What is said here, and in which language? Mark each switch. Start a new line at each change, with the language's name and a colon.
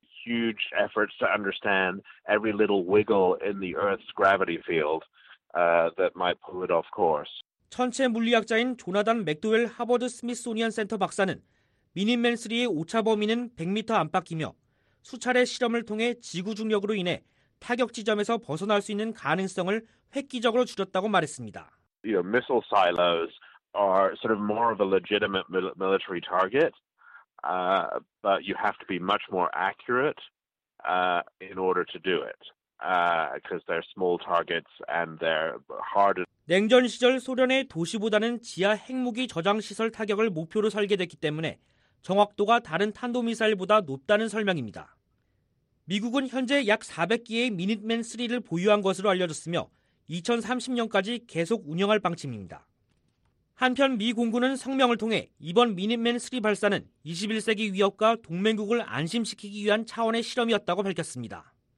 English: Huge efforts to understand every little wiggle in the Earth's gravity field that might pull it off course.
Korean: 천체 물리학자인 조나단 맥도웰 하버드 스미스소니언 센터 박사는 미니맨3의 오차 범위는 100m 안팎이며 수차례 실험을 통해 지구 중력으로 인해 타격 지점에서 벗어날 수 있는 가능성을 획기적으로 줄였다고 말했습니다.
English: You know, missile silos are sort of more of a legitimate military target, but you have to be much more accurate in order to do it, because they're small targets and they're harder.
Korean: 냉전 시절 소련의 도시보다는 지하 핵무기 저장 시설 타격을 목표로 설계됐기 때문에 정확도가 다른 탄도 미사일보다 높다는 설명입니다. 미국은 현재 약 400기의 미니맨 3를 보유한 것으로 알려졌으며. 2030년까지 계속 운영할 방침입니다. 한편 미 공군은 성명을 통해 이번 미니맨3 발사는 21세기 위협과 동맹국을 안심시키기 위한 차원의 실험이었다고 밝혔습니다.